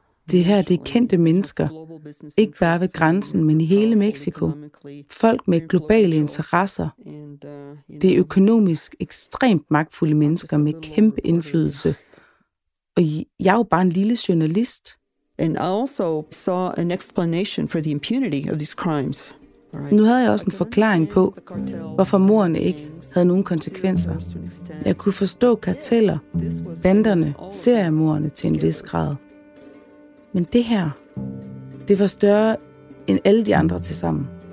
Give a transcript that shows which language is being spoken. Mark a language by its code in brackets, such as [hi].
[da] Det her, det er kendte mennesker, ikke bare ved grænsen, men i hele Mexico. Folk med globale interesser. Det er økonomisk ekstremt magtfulde mennesker med kæmpe indflydelse. Og jeg er jo bare en lille journalist. [en] And I also saw an explanation for the impunity of these crimes. [da] Nu havde jeg også en forklaring på, hvorfor mordene ikke havde nogen konsekvenser. Jeg kunne forstå karteller, banderne, seriemordene til en vis grad. Men det her, det var større end alle de andre tilsammen.